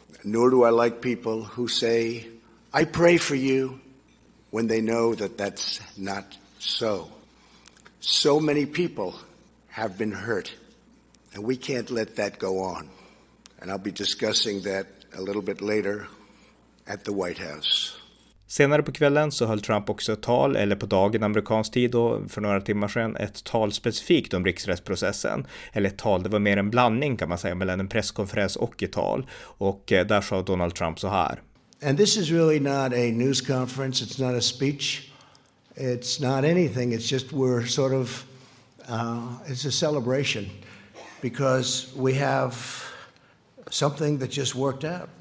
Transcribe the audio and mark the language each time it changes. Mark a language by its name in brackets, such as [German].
[English] Nor do I like people who say, I pray for you, when they know that that's not so. So many people have been hurt, and we can't let that go on. And I'll be discussing that a little bit later at the White House. [Swedish] Senare på kvällen så höll Trump också ett tal, eller på dagen amerikansk tid då, för några timmar sedan, ett tal specifikt om riksrättsprocessen. Eller ett tal, det var mer en blandning kan man säga, mellan en presskonferens och ett tal. Och där sa Donald Trump så här. [English] And this is really not a news conference. It's not a speech. It's not anything. It's just we're sort of, it's a celebration because we have something that just worked out.